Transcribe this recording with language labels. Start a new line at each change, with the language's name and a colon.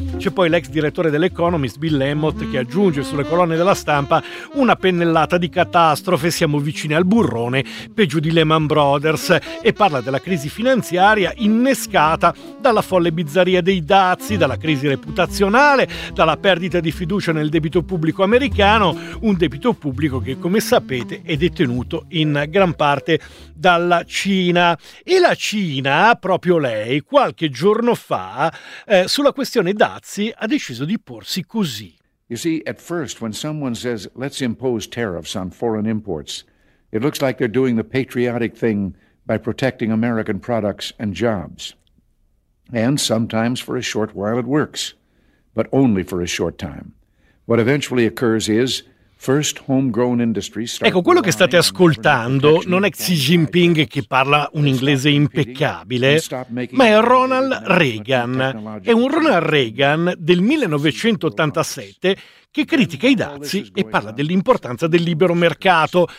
Italian: C'è poi l'ex direttore dell'Economist Bill Lemmott che aggiunge sulle colonne della Stampa una pennellata di catastrofe, siamo vicini al burrone peggio di Lehman Brothers, e parla della crisi finanziaria innescata dalla folle bizzarria dei dazi, dalla crisi reputazionale, dalla perdita di fiducia nel debito pubblico americano, un debito pubblico che, come sapete, è detenuto in gran parte dalla Cina. E la Cina, proprio lei, qualche giorno fa, sulla questione dazi, ha deciso di porsi così.
English: You see, at first, when someone says, let's impose tariffs on foreign imports, it looks like they're doing the patriotic thing by protecting American products and jobs. And sometimes for a short while it works, but only for a short time. What eventually occurs is first homegrown industries.
Italian: Ecco, quello che state ascoltando non è Xi Jinping che parla un inglese impeccabile, ma è Ronald Reagan. È un Ronald Reagan del 1987 che critica i dazi e parla dell'importanza del libero mercato.